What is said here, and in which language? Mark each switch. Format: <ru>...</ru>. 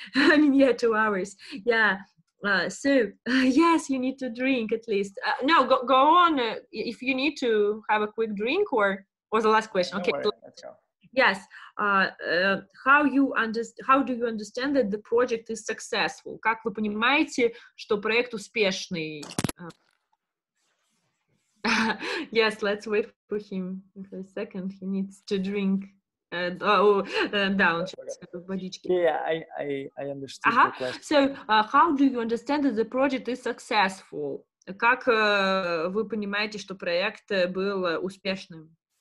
<en>I mean, yeah, 2 hours. Yeah. Yes, you need to drink at least. No, go on. If you need to have a quick drink or the last question. Okay. Don't worry, let's go. Yes. How do you understand that the project is successful?</en> <ru>Как вы понимаете, что проект успешный?</ru> <en>Yes, let's wait for him for a second. He needs to drink down. Yeah, I understand the question. So, how do you understand that the project is successful?</en> <ru>Как вы понимаете, что проект был успешным?</ru>